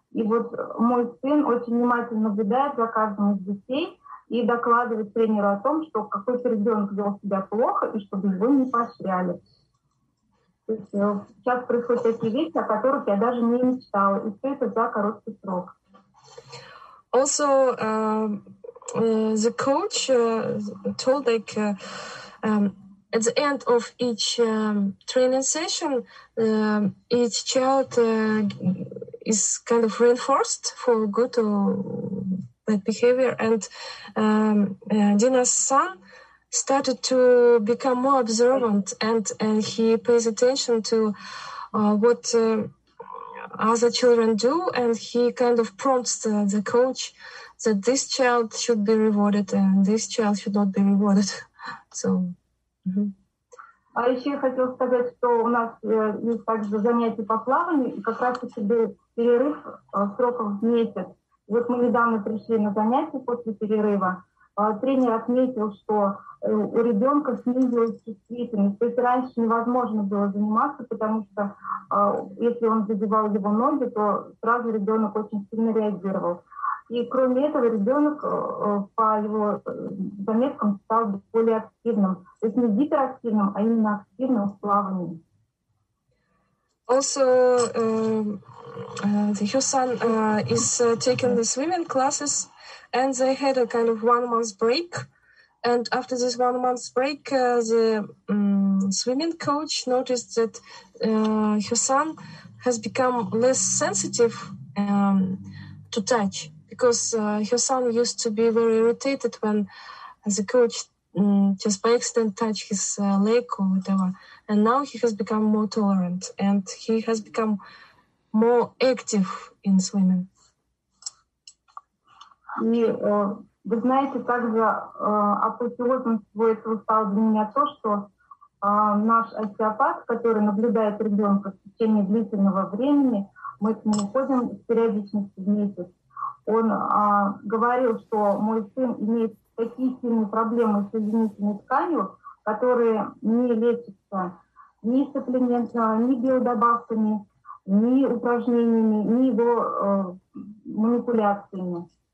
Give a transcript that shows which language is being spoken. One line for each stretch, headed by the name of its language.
Russian: И вот мой сын очень внимательно наблюдает за каждым из детей и докладывает тренеру о том, что какой-то ребенок вел себя плохо и чтобы его не поощряли. То есть сейчас происходят такие вещи, о которых я даже не мечтала, и все это за короткий срок.
English: Also, the coach told like at the end of each training session, each child is kind of reinforced for good or bad behavior, and Dina's son started to become more observant, and he pays attention to what other children do, and he kind of prompts the coach that this child should be rewarded and this child should not be rewarded. So.
Russian: А еще я хотела сказать, что у нас есть также занятия по плаванию, и как раз себе перерыв сроков в месяц. Вот мы недавно пришли на занятия после перерыва, тренер отметил, что у ребенка снизилась чувствительность. То есть раньше невозможно было заниматься, потому что если он задевал его ноги, то сразу ребенок очень сильно реагировал. И кроме этого, ребенок по его заметкам стал более активным. То есть не гиперактивным, а именно активным в плавании.
English: Also, your son is taking the swimming classes, and they had a kind of 1 month break. And after this 1 month break, the swimming coach noticed that your son has become less sensitive to touch, because your son used to be very irritated when the coach just by accident touched his leg or whatever. And now he has become more tolerant and he has become more active in swimming.
Russian: И вы знаете, также апофеозом всего этого стало для меня то, что наш остеопат, который наблюдает ребенка в течение длительного времени, мы с ним уходим с периодичностью в месяц. Он говорил, что мой сын имеет такие сильные проблемы с соединительной тканью, которые не лечатся ни сопляментом, ни биодобавками, ни упражнениями, ни его манипуляциями.